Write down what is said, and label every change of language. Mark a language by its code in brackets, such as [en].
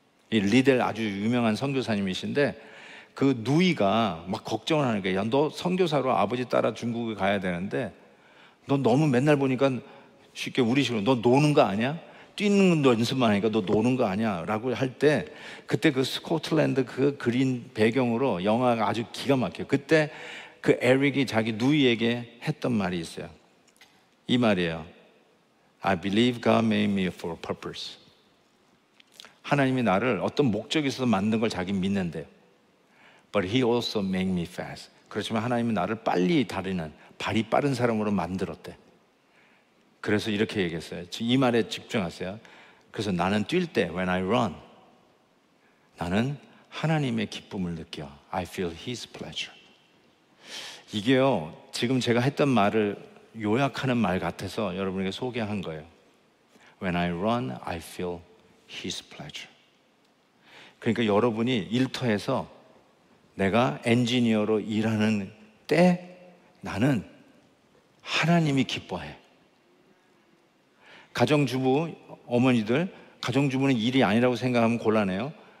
[ko] 이 리델 아주 유명한 선교사님이신데 그 누이가 막 걱정을 하는 거예요. 야, 너 선교사로 아버지 따라 중국에 가야 되는데 너 너무 맨날 보니까 쉽게 우리식으로 너 노는 거 아니야? 뛰는 건 연습만 하니까 너 노는 거 아니야? 라고 할 때 그때 그 스코틀랜드 그 그린 배경으로 영화가 아주 기가 막혀요. 그때 그 에릭이 자기 누이에게 했던 말이 있어요. 이 말이에요. [en] I believe God made me for a purpose. [ko] 하나님이 나를 어떤 목적이 있어서 만든 걸 자기 믿는데 [en] But he also made me fast. [ko] 그렇지만 하나님이 나를 빨리 다루는 발이 빠른 사람으로 만들었대. 그래서 이렇게 얘기했어요. 이 말에 집중하세요. 그래서 나는 뛸 때 [en] When I run [ko] 나는 하나님의 기쁨을 느껴 [en] I feel his pleasure. [ko] 이게요 지금 제가 했던 말을 요약하는 말 같아서 여러분에게 소개한 거예요. [en] When I run, I feel His pleasure. [ko] 그러니까 여러분이 일터에서 내가 엔지니어로 일하는 때 나는 하나님이 기뻐해. 가정주부, 어머니들, 가정주부는 일이 아니라고 생각하면 곤란해요.